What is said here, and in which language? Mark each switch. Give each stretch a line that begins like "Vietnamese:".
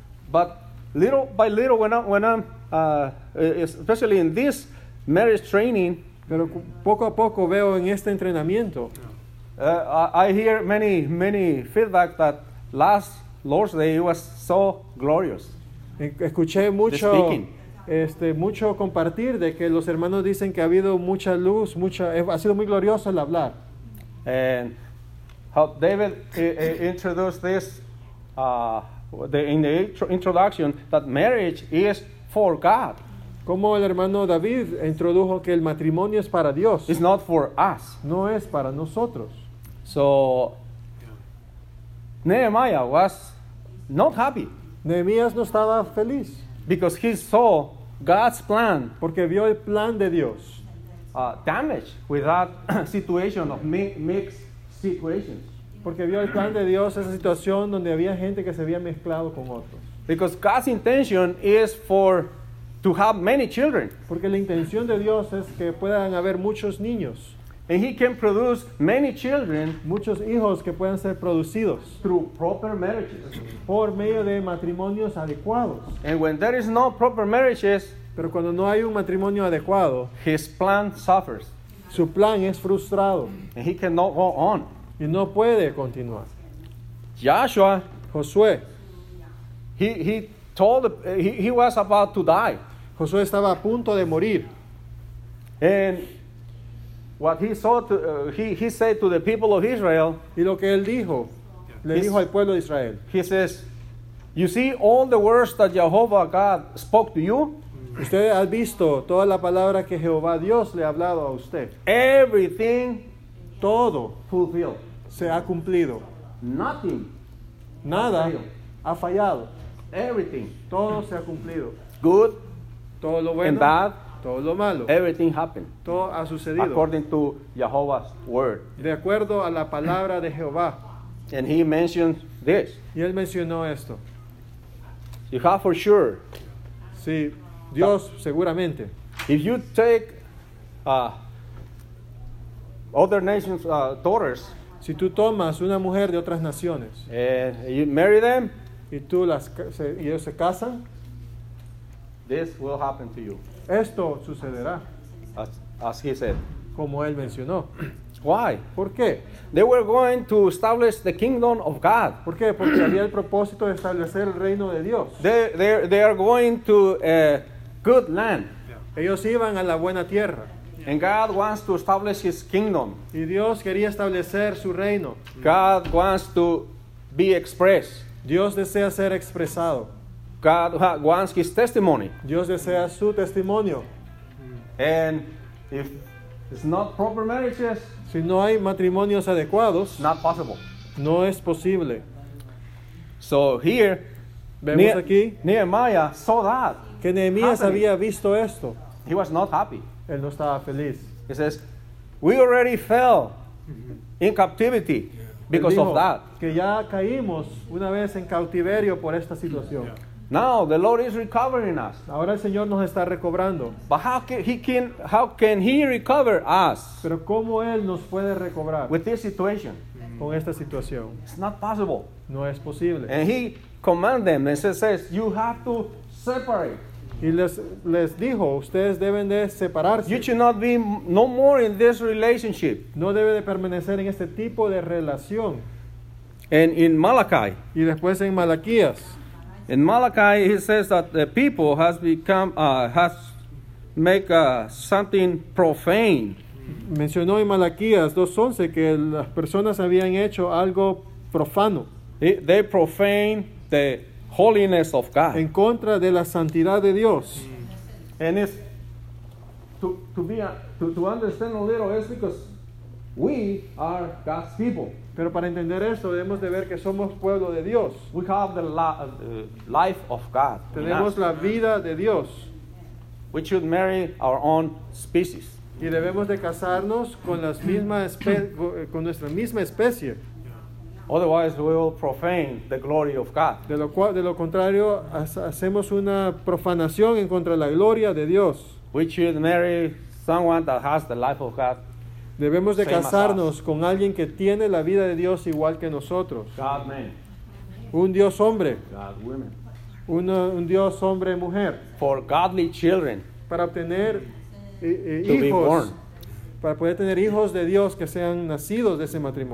English: But little by little, when I'm especially in this marriage training,
Spanish: pero poco a poco veo en este entrenamiento,
English: I hear many feedback that last Lord's Day was so glorious.
Spanish: Escuché mucho. Mucho compartir de que los hermanos dicen que ha habido mucha luz, ha sido muy glorioso el hablar.
English: And how David introduced this in the introduction that marriage is for God.
Spanish: Como el hermano David introdujo que el matrimonio es para Dios.
English: It's not for us.
Spanish: No es para nosotros.
English: So Nehemiah was not happy.
Spanish: Nehemías no estaba feliz.
English: Because he saw God's plan,
Spanish: porque vio el plan de Dios,
English: damaged with that situation of mixed situations.
Spanish: Porque vio el plan de Dios, esa situación donde había gente que se había mezclado con otros.
English: Because God's intention is for to have many children.
Spanish: Porque la intención de Dios es que puedan haber muchos niños.
English: And he can produce many children,
Spanish: muchos hijos que puedan ser producidos,
English: through proper marriages,
Spanish: por medio de matrimonios adecuados.
English: And when there is no proper marriages,
Spanish: pero cuando no hay un matrimonio adecuado,
English: his plan suffers.
Spanish: Su plan es frustrado.
English: And he cannot go on.
Spanish: Y no puede continuar.
English: Joshua,
Spanish: Josué,
English: he was about to die.
Spanish: Josué estaba a punto de morir.
English: And what he saw, he said to the people of Israel.
Spanish: Y lo que él dijo, le dijo al pueblo de Israel.
English: He says, "You see all the words that Jehovah God spoke to you."
Spanish: Usted ha visto toda la palabra que Jehová Dios le ha hablado a usted.
English: Everything,
Spanish: todo,
English: fulfilled,
Spanish: se ha cumplido.
English: Nothing,
Spanish: nada, ha fallado.
English: Everything,
Spanish: todo se ha cumplido.
English: Good,
Spanish: todo lo bueno,
English: and bad,
Spanish: todo lo malo.
English: Everything happened.
Spanish: Todo ha sucedido.
English: According to Jehovah's word.
Spanish: De acuerdo a la palabra de Jehová.
English: And he mentioned this.
Spanish: Y él mencionó esto.
English: You have for sure.
Spanish: Sí, Dios seguramente.
English: If you take other nations' daughters.
Spanish: Si tú tomas una mujer de otras naciones.
English: And you marry them.
Spanish: Y tú las y ellos se casan.
English: This will happen to you.
Spanish: Esto sucederá.
English: As he said.
Spanish: Como él mencionó.
English: Why?
Spanish: ¿Por qué?
English: They were going to establish the kingdom of God.
Spanish: ¿Por qué? Porque había el propósito de establecer el reino de Dios.
English: They are going to a good land.
Spanish: Yeah. Ellos iban a la buena tierra.
English: Yeah. And God wants to establish his kingdom.
Spanish: Y Dios quería establecer su reino.
English: God wants to be expressed.
Spanish: Dios desea ser expresado.
English: God wants his testimony.
Spanish: Dios desea su testimonio.
English: And if it's not proper marriages,
Spanish: si no hay matrimonios adecuados,
English: not possible.
Spanish: No es posible.
English: So here,
Spanish: vemos aquí,
English: Nehemiah saw that.
Spanish: Que Nehemías había visto esto.
English: He was not happy.
Spanish: Él no estaba feliz.
English: He says, we already fell in captivity because of that.
Spanish: Que ya caímos una vez en cautiverio por esta situación.
English: Now the Lord is recovering us.
Spanish: Ahora el Señor nos está recobrando.
English: But how can he recover us?
Spanish: Pero cómo él nos puede recobrar?
English: With this situation.
Spanish: Con esta situación.
English: It's not possible.
Spanish: No es posible.
English: And he commanded them and says, you have to separate.
Spanish: Y les dijo, ustedes deben de separarse.
English: You should not be no more in this relationship.
Spanish: No debe de permanecer en este tipo de relación.
English: And in Malachi.
Spanish: Y después en Malaquías.
English: In Malachi, he says that the people has become has make something profane.
Spanish: Mencionó en Malaquías 2:11 que las personas habían hecho algo profano.
English: They profane the holiness of God.
Spanish: En contra de la santidad de Dios.
English: And it's to understand a little is because we are God's people.
Spanish: Pero para entender esto debemos de ver que somos pueblo de Dios.
English: We have the life of God.
Spanish: Tenemos la vida de Dios.
English: We should marry our own species.
Spanish: Y debemos de casarnos con las mismas con nuestra misma especie.
English: Otherwise we will profane the glory of God.
Spanish: De lo contrario hacemos una profanación en contra de la gloria de Dios.
English: We should marry someone that has the life of God.
Spanish: Debemos de casarnos con alguien que tiene la vida de Dios igual que nosotros.
English: God, man.
Spanish: Un Dios hombre.
English: God, women.
Spanish: Un Dios hombre mujer.
English: For godly children.
Spanish: Para obtener hijos.
English: Be born.
Spanish: Para poder tener hijos de Dios que sean nacidos de ese matrimonio.